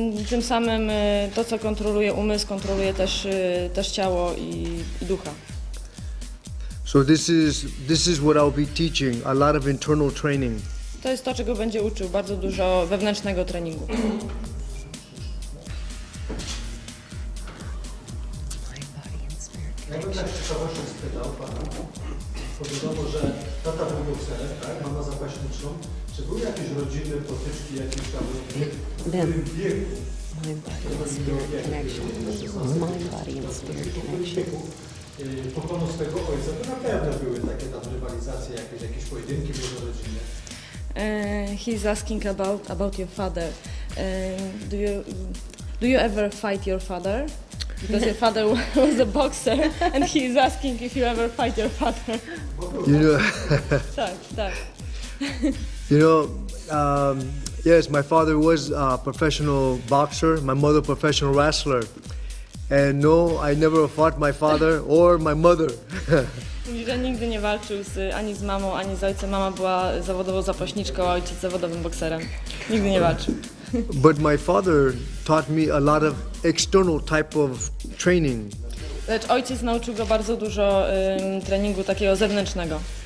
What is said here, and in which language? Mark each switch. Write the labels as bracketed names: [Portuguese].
[Polish] Tym samym to, co kontroluje umysł, kontroluje też ciało i ducha. [English] So this is what I'll be teaching, a lot of internal training. [Polish] To jest to, czego będzie uczył, bardzo dużo wewnętrznego treningu. [English] Ben, mind, body, and spirit connection. Mind, body, and spirit connection. He's asking about your father. Do you ever fight your father? Because your father was a boxer, and he is asking if you ever fight your father. You know, [Polish] tak. [English] You know, yes, my father was a professional boxer, my mother a professional wrestler. And no, I never fought my father or my mother. [Polish] Mówi, że nigdy nie walczył z, ani z mamą, ani z ojcem. Mama była zawodową zapaśniczką, a ojciec zawodowym bokserem. Nigdy nie walczył. [English] But my father taught me a lot of external type of training. [Polish] Lecz ojciec nauczył go bardzo dużo treningu takiego zewnętrznego.